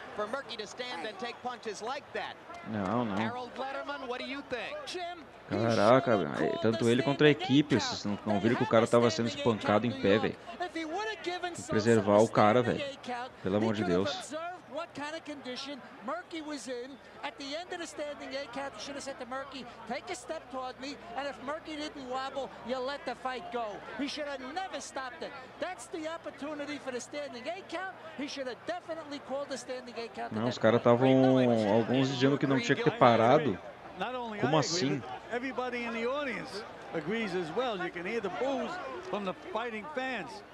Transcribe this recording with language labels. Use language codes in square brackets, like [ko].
[pt] Não. Caraca, tanto ele contra a equipe. Vocês não viram que o cara tava sendo espancado em pé, velho. Preservar o cara, velho. Pelo amor de Deus. [en] What kind of condition Murky was in at the end of the standing A count? You should have said to Murky, take a step toward me, and if Murky didn't wobble, you let the fight go. He should have never stopped it. That's the opportunity for the standing A count. He should have definitely called the standing A count. [pt] Não, os caras estavam alguns dizendo que não tinha que ter parado. Como assim? [en] Everybody in the audience agrees as well. You can hear the boos from the fighting fans.